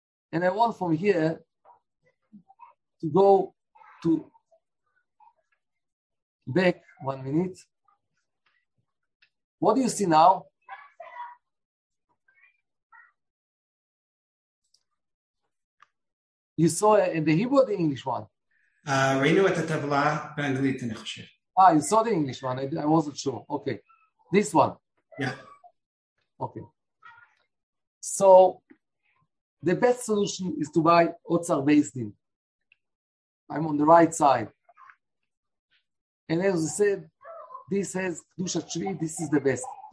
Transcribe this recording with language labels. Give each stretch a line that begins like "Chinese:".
English: And I want from here to go to back 1 minute. What do you see now? You saw it in the Hebrew or the English one?
Hebrew: ראינו את הטבלה באנגלית, אני חושב.
English: Ah, you saw the English one. I wasn't sure. Okay. This one. Yeah. Okay. So the best solution is to buy Otzar Beis Din. I'm on the right side. And as I said, this has Kedusha Shvi, this is the best.